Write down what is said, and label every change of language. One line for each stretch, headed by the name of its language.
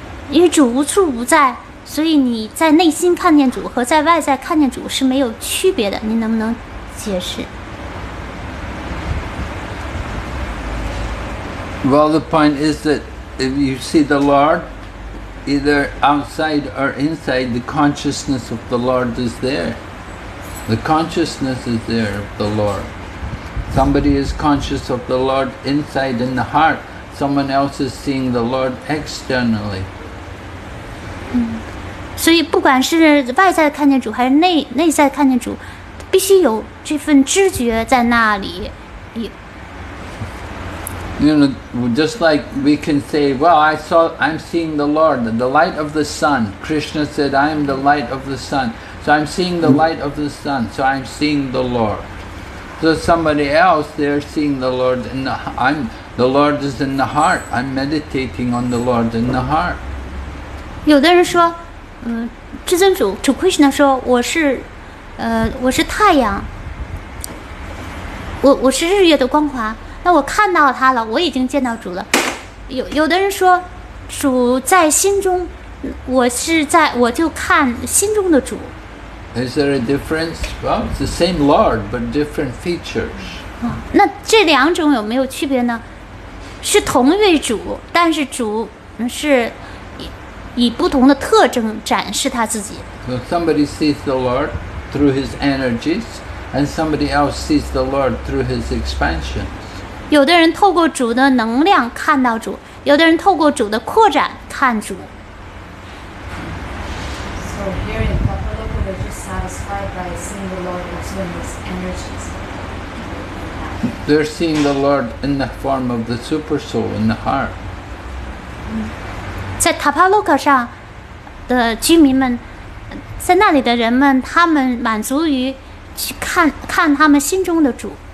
Chinese: 因为主无处不在，所以你在内心看见主和在外在看见主是没有区别的，你能不能解释？
English: Well, the point is that if you see the Lord either outside or inside, the consciousness of the Lord is there. The consciousness is there of the Lord. Somebody is conscious of the Lord inside in the heart. Someone else is seeing the Lord externally.
Chinese: 所以不管是外在看见主还是内在看见主，必须有这份知觉在那里。
English: You know, just like we can say, well, I'm seeing the Lord, the light of the sun. Krishna said, I am the light of the sun. So I'm seeing the light of the sun, so I'm seeing the Lord. So somebody else, they're seeing the Lord in the Lord is in the heart. I'm meditating on the Lord in the heart.
Chinese: 有的人说至尊主主 Krishna 说我是太阳，我是日月的光华，那我看到他了，我已经见到主了。有的人说主在心中，我就看心中的主。
English: Is there a difference? Well, it's the same Lord, but different features.
Chinese: 那这两种有没有区别呢？是同一位主，但是主是以不同的特征展示他自己。
English: So somebody sees the Lord through his energies, and somebody else sees the Lord through his expansions.
Chinese: 有的人透过主的能量看到主，有的人透过主的扩展看主。
English: So here in Papadopoulos, just satisfied by seeing the Lord through his energies. They're seeing the Lord in the form of the super soul, in the heart.
Chinese: 在塔帕洛克上的居民们，在那里的人们，他们满足于去看看他们心中的主。